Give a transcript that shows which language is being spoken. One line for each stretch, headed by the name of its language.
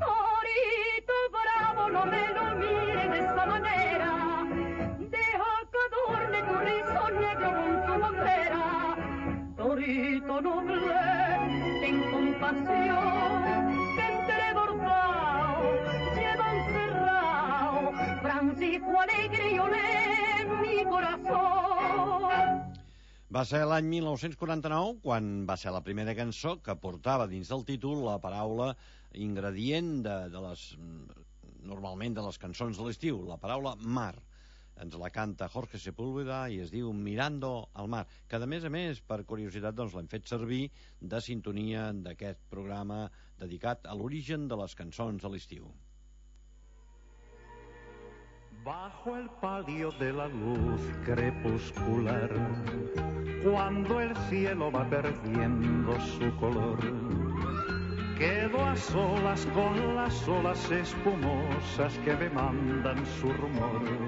Spanish: Torito bravo, no me lo mire de esa manera, deja que adorne tu rizo negro con tu bandera. Torito noble, ten compasión, que entre bordao lleva encerrao Francisco Alegre y olé mi corazón.
Catalan: Va ser l'any 1949 quan va ser la primera cançó que portava dins del títol la paraula ingredient de les, normalment de les cançons de l'estiu, la paraula mar. Ens la canta Jorge Sepúlveda i es diu Mirando al mar, que a més, per curiositat, doncs, l'hem fet servir de sintonia d'aquest programa dedicat a l'origen de les cançons de l'estiu.
Spanish: Bajo el palio de la luz crepuscular, cuando el cielo va perdiendo su color. Quedo a solas con las olas espumosas que me mandan su rumor.